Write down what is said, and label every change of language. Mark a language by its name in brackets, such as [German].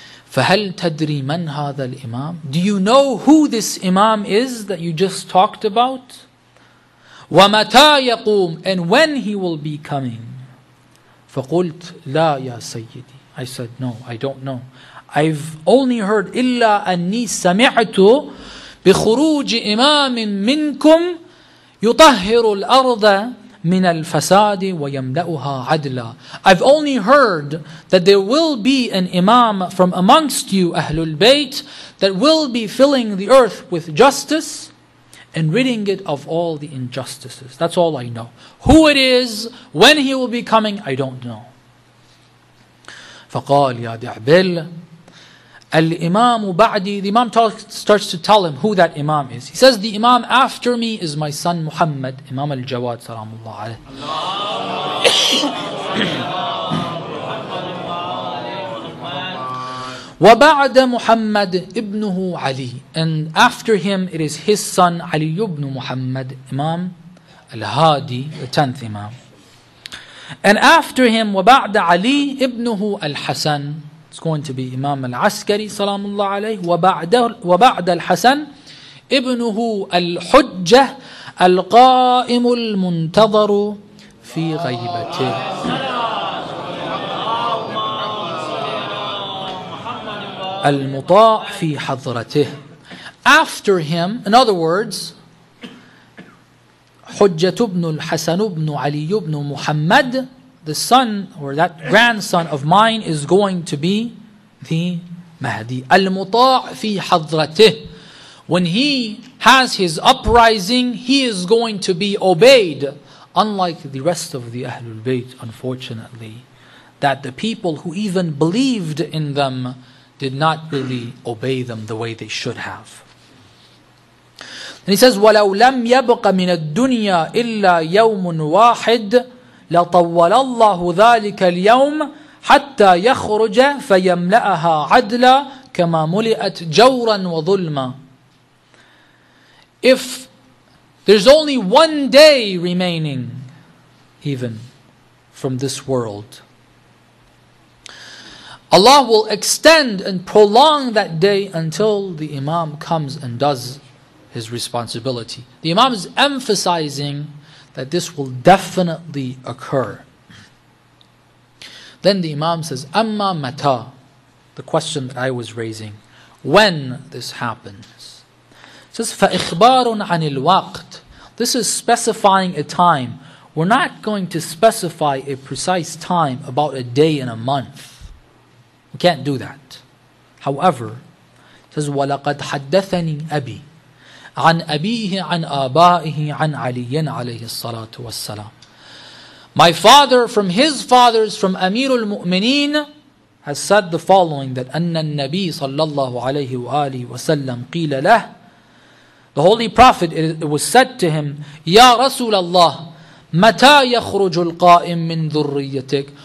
[Arabic] فَهَلْ تَدْرِي مَنْ هَذَا الْإِمَامِ. [English] Do you know who this Imam is that you just talked about? [Arabic] وَمَتَى يَقُومُ. [English] And when he will be coming. [Arabic] فَقُلْتْ لَا يَا سَيِّدِي. [English] I said, no, I don't know. I've only heard [Arabic] إِلَّا أَنِّي سَمِعْتُ بخروج إمام منكم يطهر الأرض من الفساد ويملأها عدلا. [English] I've only heard that there will be an Imam from amongst you, Ahlul Bayt, that will be filling the earth with justice and ridding it of all the injustices. That's all I know. Who it is, when he will be coming, I don't know. [Arabic] فقال يا دعبل الإمام بعدي. [English] The Imam starts to tell him who that Imam is. He says, the Imam after me is my son Muhammad, Imam al-Jawad, salam Allah alayhi. [Arabic] وبعد محمد ابنه علي. [English] And after him it is his son Ali ibn Muhammad, Imam al-Hadi, the 10th Imam. And after him, [Arabic] وبعد علي ابنه الحسن. [English] It's going to be Imam al-Askari, salam Allah alayhi, [Arabic] وبعد الحسن ابنه الحجة القائم المنتظر في غيبته. المطاع في حضرته. [English] After him, in other words, حجة ابن الحسن ابن علي ابن محمد, the son or that grandson of mine is going to be the Mahdi. [Arabic] Al-Muta' fi hadratih. [English] When he has his uprising, he is going to be obeyed, unlike the rest of the Ahlul Bayt, unfortunately, that the people who even believed in them did not really obey them the way they should have. And he says, [Arabic] وَلَوْ لَمْ يَبْقَ مِنَ الدُّنْيَا إِلَّا يَوْمٌ وَاحِدٌ لَطَوَّلَ اللَّهُ ذَلِكَ الْيَوْمَ حَتَّى يَخْرُجَ فَيَمْلَأَهَا عَدْلًا كَمَا مُلِئَتْ جَوْرًا وَظُلْمًا. [English] If there's only one day remaining, even from this world, Allah will extend and prolong that day until the Imam comes and does his responsibility. The Imam is emphasizing that this will definitely occur. Then the Imam says, [Arabic] Amma mata, [English] the question that I was raising, when this happens. It says, [Arabic] فَإِخْبَارٌ عَنِ الْوَقْتِ. [English] This is specifying a time. We're not going to specify a precise time about a day and a month. We can't do that. However, it says, [Arabic] وَلَقَدْ حَدَّثَنِي أَبِي عن أبيه عن آبائه عن علي عليه الصلاة والسلام. [English] My father from his fathers from Amir al-Mu'mineen has said the following, that [Arabic] أن النبي صلى الله عليه وآله وسلم قيل له [English] The Holy Prophet, it was said to him, [Arabic] Ya Rasul Allah, Mata yakhrujul qa'im min dhurriyatik.